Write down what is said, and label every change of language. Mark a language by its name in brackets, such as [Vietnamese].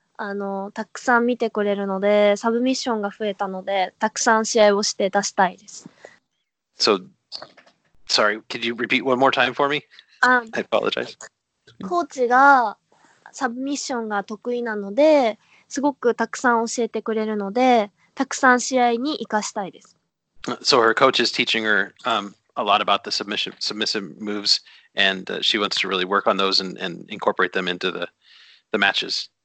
[Japanese] あのたくさん見てくれるのでサブミッションが増えたのでたくさん試合をして出したいです。 [English] So, sorry, could you repeat one more time for me? I apologize. [Japanese] コーチがサブミッションが得意なのですごくたくさん教えてくれるのでたくさん試合に生かしたいです。 [English] So her coach is teaching her a lot about the submissive moves and she wants to really work on those and incorporate them into the matches.